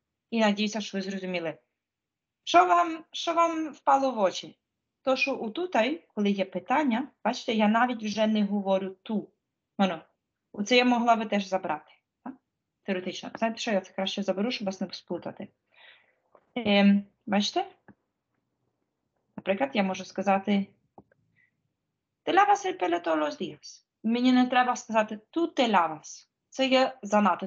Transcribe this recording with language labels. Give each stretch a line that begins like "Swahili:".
Ukrainian: І надіюся, що ви зрозуміли. Що вам впало в очі? То, що отут, коли є питання, бачите, я навіть вже не говорю ту. Воно. Оце я могла би теж забрати. Так? Теоретично. Знаєте, що я це краще заберу, щоб вас не сплутати. Бачите? Наприклад, я можу сказати
Spanish: «Te lavas el pelo todos los días».
Ukrainian: Мені не треба сказати
Spanish: «Tú te lavas».
Ukrainian: Це є занадто.